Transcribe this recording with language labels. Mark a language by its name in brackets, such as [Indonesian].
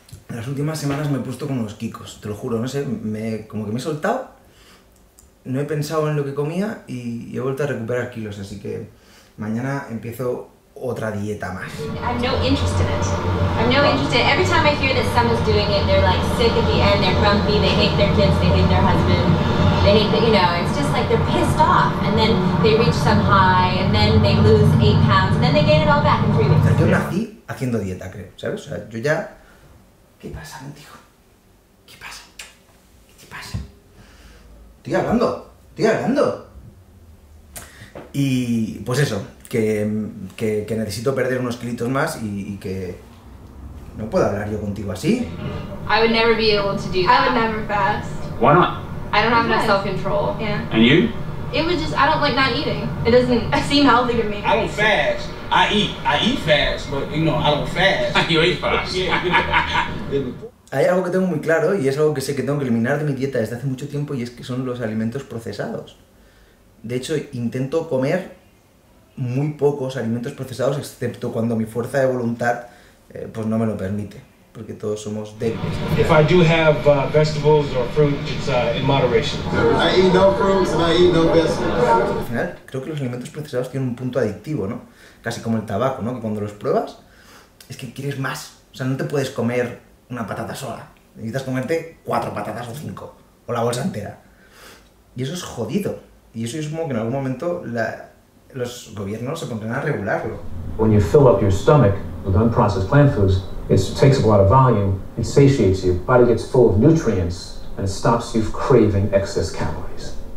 [Spanish] En las últimas semanas me he puesto con los quicos, te lo juro, no sé, como que me he soltado, no he pensado en lo que comía y he vuelto a recuperar kilos, así que mañana empiezo otra dieta más. [English] I'm no interested. Every time I hear that someone's doing it, they're like sick at the end, they're grumpy, they hate their kids, they hate their husband, they hate the, you know, it's just like they're pissed off, and then they reach some high, and then they lose 8 pounds, and then they gain it all back in 3 weeks. [Spanish] O sea, yo nací haciendo dieta, creo, ¿sabes? O sea, yo ya... ¿Qué pasa, mi tío? ¿Qué pasa? ¿Qué te pasa? Estoy hablando. Y pues eso, que necesito perder unos kilitos más y que no puedo hablar yo contigo así. [English] I would never be able to do that. I would never fast. Why not? I don't have enough self-control. Yeah. And you? It was just, I don't like not eating. It doesn't seem healthy to me. I don't fast. I eat fast, but you know, I don't fast. You eat fast. [Spanish] Hay algo que tengo muy claro y es algo que sé que tengo que eliminar de mi dieta desde hace mucho tiempo y es que son los alimentos procesados. De hecho, intento comer muy pocos alimentos procesados, excepto cuando mi fuerza de voluntad pues no me lo permite, porque todos somos débiles. [English] If I do have vegetables or fruit, it's in moderation. I eat no fruits and I eat no vegetables. [Spanish] Al final, creo que los alimentos procesados tienen un punto adictivo, ¿no? Casi como el tabaco, ¿no? Que cuando los pruebas, es que quieres más. O sea, no te puedes comer una patata sola. Necesitas comerte 4 patatas o 5, o la bolsa entera. Y eso es jodido. Y eso yo supongo que en algún momento los gobiernos se pondrán a regularlo. [English] When you fill up your stomach with unprocessed plant foods, it takes up a lot of volume, it satiates you, body gets full of nutrients, and it stops you craving excess calories.